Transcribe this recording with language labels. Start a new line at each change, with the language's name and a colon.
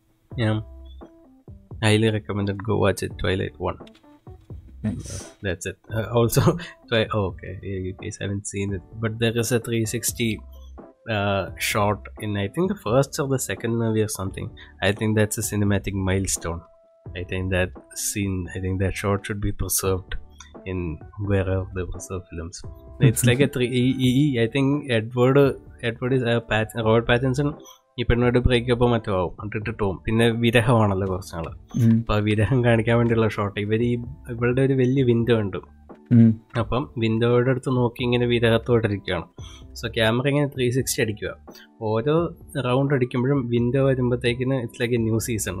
Malayalam: ഞാൻ
English: Highly recommend go watch it, Twilight one. That's it. Also okay, you guys haven't seen it, but there is a 360 shot in I think the first or the second movie or something. I think that's a cinematic milestone. I think that scene, I think that shot should be preserved in wherever they preserve films. It's like a 3EE. I think Edward is Robert Pattinson.
Malayalam: ഇപ്പൊന്നോട് breakup മറ്റോ ആവും, കണ്ടിട്ട് പോവും. പിന്നെ വിരഹമാണല്ലോ കുറച്ചുനാള്. അപ്പൊ വിരഹം കാണിക്കാൻ വേണ്ടിയുള്ള shot. ഇവര് ഈ ഇവളുടെ ഒരു വലിയ വിൻഡോ ഉണ്ട്. അപ്പം വിൻഡോയുടെ അടുത്ത് നോക്കി ഇങ്ങനെ വിരഹത്തോടിരിക്കുകയാണ്. സോ ക്യാമറ ഇങ്ങനെ 360 അടിക്കുക. ഓരോ round അടിക്കുമ്പോഴും window വരുമ്പോഴത്തേക്കിന്
English: It's like a new season.